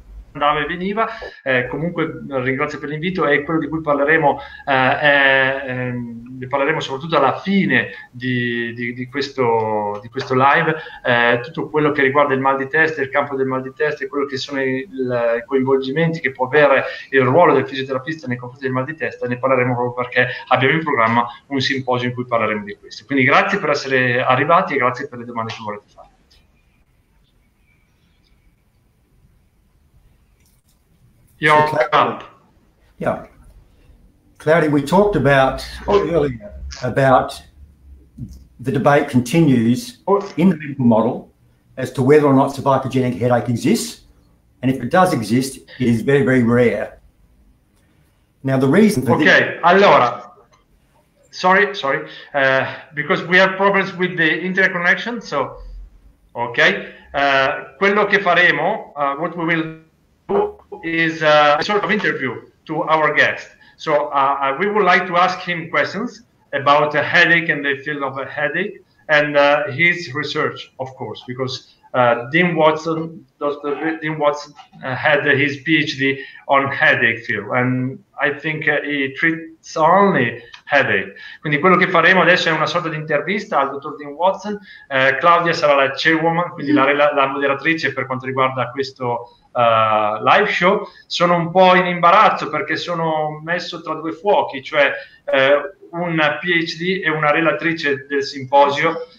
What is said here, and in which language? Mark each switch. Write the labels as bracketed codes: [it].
[it] Andava e veniva, comunque ringrazio per l'invito. E quello di cui parleremo, ne parleremo soprattutto alla fine di questo live, tutto quello che riguarda il mal di testa, il campo del mal di testa e quello che sono i coinvolgimenti che può avere il ruolo del fisioterapista nei confronti del mal di testa, ne parleremo proprio perché abbiamo in programma un simposio in cui parleremo di questo. Quindi grazie per essere arrivati e grazie per le domande che volete fare. [en] Yeah, Cloudy, we talked about earlier about the debate continues in the medical model as to whether or not cervicogenic headache exists, and if it does exist, it is very, very rare. Now, the reason for okay, [it] allora, [en] sorry, because we have problems with the internet connection, so okay, [it] quello che faremo, [en] what we will do. Is a sort of interview to our guest. So we would like to ask him questions about a headache and the field of a headache and his research, of course, because Dean Watson had his PhD on headache field, and I think he treats only headache. [it] Quindi quello che faremo adesso è una sorta di intervista al dottor Dean Watson. Claudia sarà la chairwoman, quindi la moderatrice per quanto riguarda questo live show. Sono un po' in imbarazzo perché sono messo tra due fuochi, cioè un PhD e una relatrice del simposio.